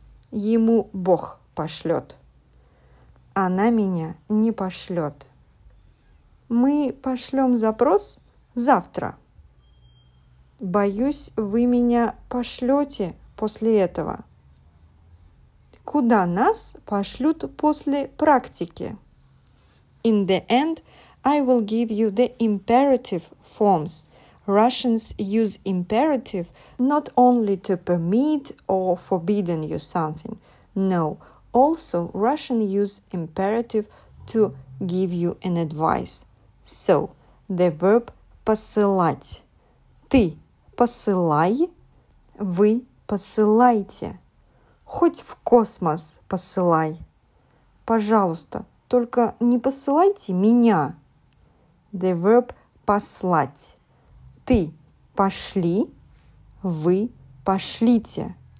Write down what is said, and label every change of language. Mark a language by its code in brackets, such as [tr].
[ru] Ему Бог пошлёт. Она меня не пошлёт. Мы пошлём запрос завтра. Боюсь, вы меня пошлёте после этого. Куда нас пошлют после практики? [en] In the end, I will give you the imperative forms. Russians use imperative not only to permit or forbidden you something. No, also Russian use imperative to give you an advice. So, the verb посылать. [ru] Ты посылай, вы посылайте. Хоть в космос посылай. Пожалуйста, только не посылайте меня. [en] The verb [ru] послать. Ты пошли, вы пошлите.